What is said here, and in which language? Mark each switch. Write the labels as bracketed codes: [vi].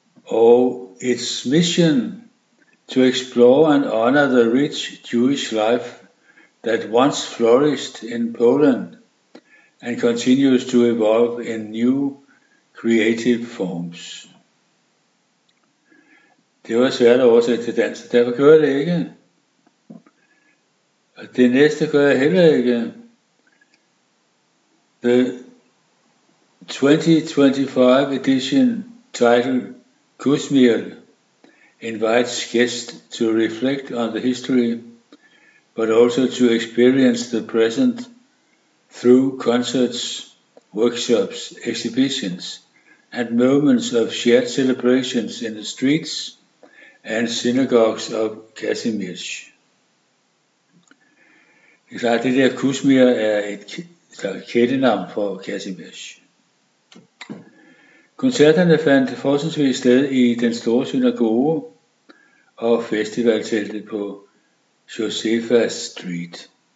[en] Oh, its mission to explore and honor the rich Jewish life that once flourished in Poland and continues to evolve in new creative forms. [da] Det var svært at oversætte til dansk, derfor gør jeg det ikke. Og det næste gør jeg heller ikke. [en] The 2025 edition titled Kusmiel invites guests to reflect on the history, but also to experience the present through concerts, workshops, exhibitions, and moments of shared celebrations in the streets and synagogues of Kazimierz. [da] Det er klart, det der Kusmir er et kædenavn for Kazimierz. Koncerterne fandt fortsatvis sted i den store synagoge og festivalteltet på Josefa Street.